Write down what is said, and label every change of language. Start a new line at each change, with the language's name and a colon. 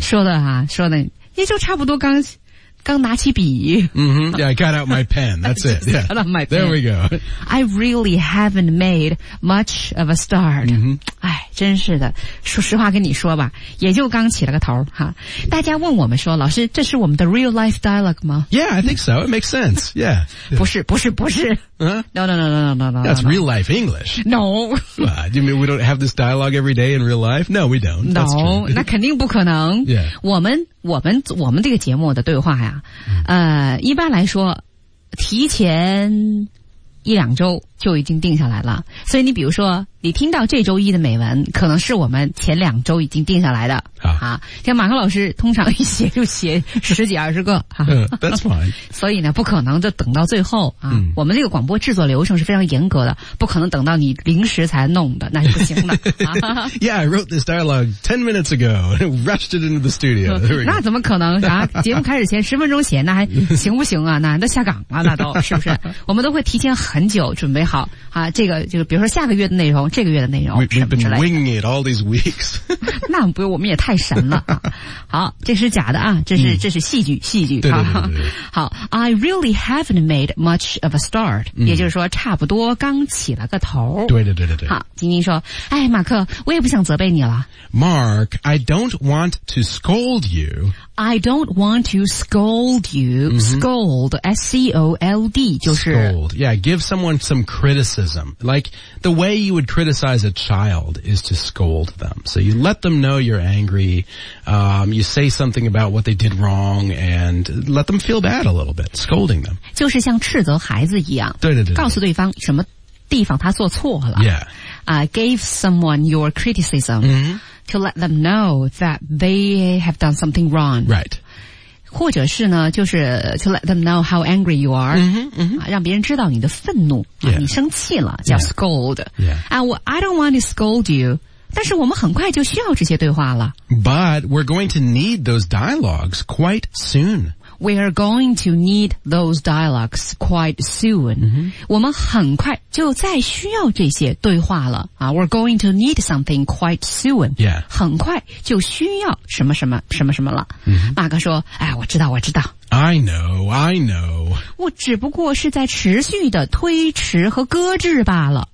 Chinese: 说的啊说的也就差不多刚拿起笔。
English: Mm-hmm. Yeah, I got out my pen. That's it. Yeah. Got out my pen. There we go. I really haven't made much of a start. 哎、 mm-hmm.
Chinese: 真是的。说实话跟你说吧也就刚起了个头哈。大家问我们说老师这是我们的
English: real life dialogue
Chinese: 吗
English: Yeah, I think so. It makes sense. Yeah.
Chinese: 不是不是不是。 Huh?
English: No. That's real life English. No. What? You mean we don't have this dialogue every day in real life? No, we don't.
Chinese: No, 那肯定不可能。
English: Yeah.
Chinese: 我们这个节目的对话呀、一般来说提前一两周就已经定下来了所以你比如说你听到这周一的美文可能是我们前两周已经定下来的啊，像马克老师通常一写就写十几二十个、
English: That's fine
Chinese: 所以呢不可能就等到最后啊、嗯。我们这个广播制作流程是非常严格的不可能等到你临时才弄的那是不行的
English: Yeah, I wrote this dialogue 10 minutes ago rushed it into the studio
Chinese: 那怎么可能啊？节目开始前十分钟写那还行不行啊那都下岗了那都是不是我们都会提前很久准备好啊，这个就是比如说下个月的内容这个月的内容
English: We've been winging it all these weeks
Chinese: 那不用我们也太神了、啊、好这是假的啊这是戏剧对对对对对
English: 好 I really haven't made much of a start、嗯、
Chinese: 也就是说差不多刚起了个头对对对对对好晶晶说哎马克我也不想责备你了
English: Mark I don't want to scold you I don't want to scold you.、 Mm-hmm. Scold, S-C-O-L-D, 就是 Scold, yeah, give someone some criticism. Like, the way you would criticize a child is to scold them. So you let them know you're angry, you say something about what they did wrong, and let them feel bad a little bit, scolding them.
Chinese: 就是像斥责孩子一样。对对 对, 对。告诉对方什么地方他做错了。
English: Yeah.、 Gave someone your criticism.、 Mm-hmm. To let them know that they have done something wrong. Right.
Chinese: 或者是呢就是
English: to let them know how angry you are. Mm-hmm, mm-hmm.
Chinese: 让别人知道你的愤怒、
English: yeah.
Chinese: 啊、你生气了叫 scold.
English: Yeah. Yeah. I don't want to scold you.
Chinese: 但是我们很快就需要这些对话了。
English: But we're going to need those dialogues quite soon. We are going to need those dialogues quite soon.、 Mm-hmm.
Chinese: 我们很快就再需要这些对话了。
English: We're going to need something quite soon. Yeah.
Chinese: 很快就需要什么什么什么什么了。 Mm-hmm. 马哥说哎我知道我知道。
English: I know.
Chinese: 我只不过是在持续的推迟和搁置罢了。